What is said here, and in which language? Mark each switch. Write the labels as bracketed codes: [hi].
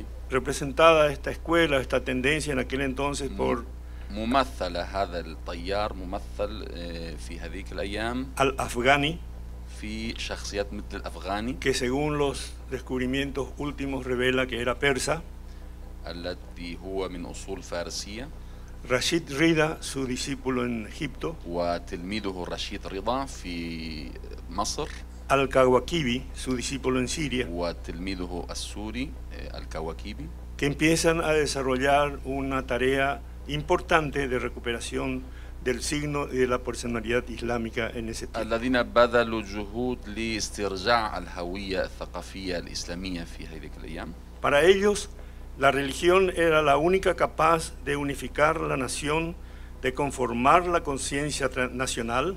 [es] Representada esta escuela, esta tendencia en aquel entonces por [ar] ممثل هذا الطيار ممثل في هذيك الأيام الأفغاني في شخصيات مثل الأفغاني [es] que según los descubrimientos últimos revela que era persa [ar] الذي هو من أصول فارسية [es] Rashid Rida, su discípulo en Egipto [ar] وتلميذه رشيد رضا في مصر [es] Al-Kawakibi, su discípulo en Siria, [ar] وتلميذه السوري Al-Kawakibi, [es] que empiezan a desarrollar una tarea importante de recuperación del signo y de la personalidad islámica en ese tiempo. [ar] الذين بذلوا جهود لاسترجاع الهوية الثقافية الإسلامية في هذه الأيام. [es] Para ellos, la religión era la única capaz de unificar la nación, de conformar la conciencia nacional.